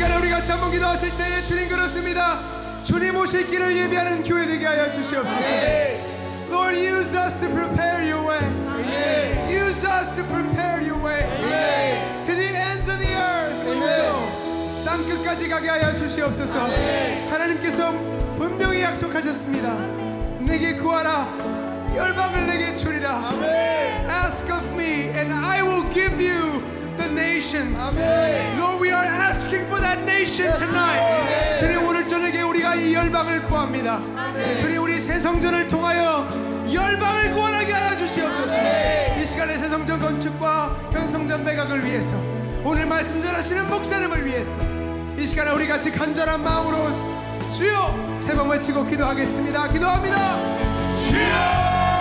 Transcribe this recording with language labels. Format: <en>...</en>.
<ko>같이 한번 기도하실 때에 주님 그렇습니다. 주님 오실 길을 예비하는 교회 되게 하여 주시옵소서.</ko> <en>Lord, use us to prepare your way. Use us to prepare your way. To the ends of the earth.</en> <ko>땅 끝까지 가게 하여 주시옵소서. 하나님께서 분명히 약속하셨습니다. 내게 구하라. 열방을 내게 주리라.</ko> <en>Ask of me and I will give you the nations. Lord, we are asking for that nation tonight.</en> <ko>주님 오늘 저녁에 우리가 이 열방을 구합니다. 주님 우리 새 성전을 통하여 열방을 구원하게 하여 주시옵소서. 이 시간에 새 성전 건축과 현성전 매각을 위해서 오늘 말씀 전하시는 목사님을 위해서 이 시간에 우리 같이 간절한 마음으로 주여 새 번 외치고 기도하겠습니다. 기도합니다. 주여.</ko>